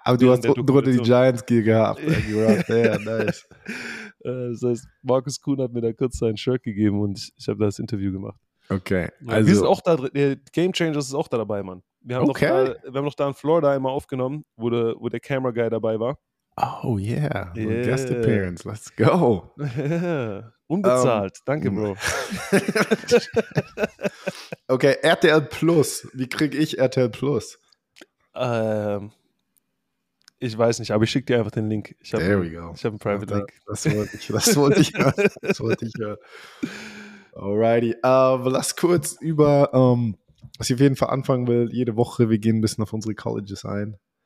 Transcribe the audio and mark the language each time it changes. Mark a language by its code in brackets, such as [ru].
[de] Aber du hast drunter die Giants-Gear gehabt. Nice. Das heißt, Markus Kuhn hat mir da kurz sein Shirt gegeben und ich habe da das Interview gemacht. Okay. Also, wir sind auch da drin, Game Changers ist auch da dabei, Mann. Wir haben noch da in Florida einmal aufgenommen, wo der Camera Guy dabei war. [en] Oh yeah, guest appearance, let's go. [de] Unbezahlt, danke Bro. Okay, RTL Plus, wie kriege ich RTL Plus? Ich weiß nicht, aber ich schicke dir einfach den Link. Ich habe einen Private Link. Das wollte ich hören. Alrighty, lass kurz über... was ich auf jeden Fall anfangen will, jede Woche, wir gehen ein bisschen auf unsere Colleges ein.